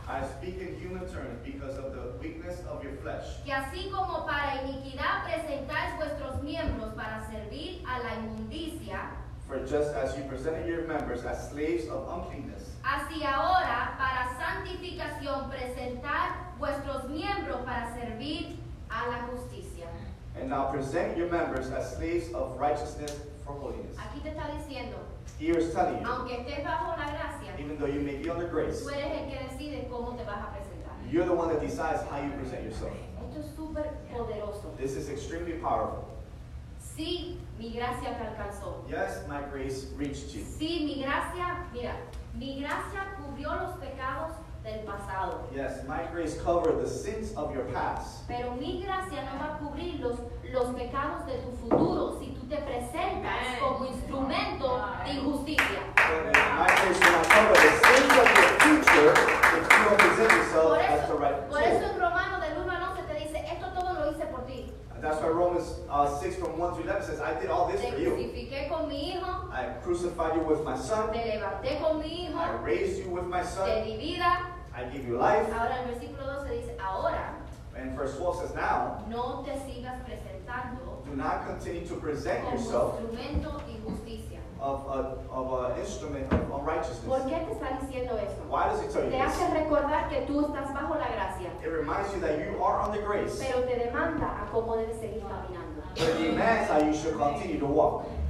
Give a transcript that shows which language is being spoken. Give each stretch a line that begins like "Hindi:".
English: I speak in human terms because of the weakness of your flesh.
Spanish: Que así como para iniquidad presentáis vuestros miembros para servir a la inmundicia.
English: For just as you presented your members as slaves of uncleanness,
Spanish: así ahora para santificación presentar vuestros miembros para servir a la justicia.
English: And now present your members as slaves of righteousness for holiness.
Spanish: Aquí te está diciendo,
English: here is telling you,
Spanish: aunque estés bajo la gracia,
English: even though you may be under grace,
Spanish: tú eres el que decide cómo te vas a presentar.
English: You're the one that decides how you present yourself.
Spanish: Esto es super poderoso.
English: This is extremely powerful.
Spanish: Sí, mi gracia te alcanzó.
English: Yes, my grace reached you.
Spanish: Sí, mi gracia, mira, mi gracia cubrió los pecados del pasado.
English: Yes, my grace covered the sins of your past.
Spanish: Pero mi gracia no va a cubrir los pecados de tu futuro si tú te presentas como instrumento de injusticia.
English: My grace will not cover the sins of your future if you don't present yourself as the right
Spanish: tool. Por eso en Romanos del 1 al 11 te dice, esto todo lo hice por ti.
English: That's why Romans 6 from 1 through 11 says, I did all this for you.
Spanish: Con mi hijo.
English: I crucified you with my son.
Spanish: Te levanté con mi hijo.
English: I raised you with my son.
Spanish: Te di vida.
English: I give you life.
Spanish: Ahora, el versículo 12 dice, ahora,
English: and verse 12 says, now,
Spanish: no te sigas presentando,
English: do not continue to present yourself
Spanish: instrumento de injusticia.
English: of an instrument of unrighteousness.
Spanish: ¿Por qué te está diciendo eso?
English: Why does it tell you
Spanish: te
English: this?
Spanish: Hace recordar que tú estás bajo la gracia.
English: It reminds you that you are under grace.
Spanish: Pero te demanda a cómo debes seguir caminando.
English: But it demands how you should continue to walk.